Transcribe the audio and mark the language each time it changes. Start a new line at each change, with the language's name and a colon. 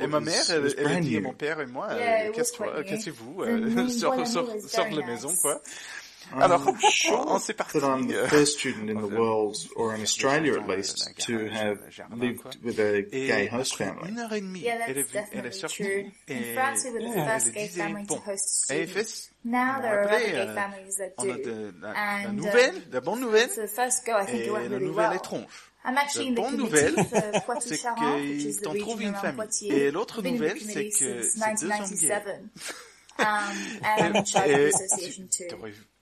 French: Et ma mère, elle dit à mon père et moi, qu'est-ce que vous sort de la maison, quoi. Alors, sure c'est parti.
English: That I'm the first student in the world, or in Australia at least, to have lived with a gay host family. Yeah, that's definitely true. In France, we were the first gay family to host students. Now there are other gay families that do. And
French: la bonne nouvelle,
English: so the first go, I think it went really well. I'm actually in the
French: bonne nouvelle, c'est qu'ils t'en trouvent une famille. Et l'autre nouvelle, c'est que c'est deux hommes gays.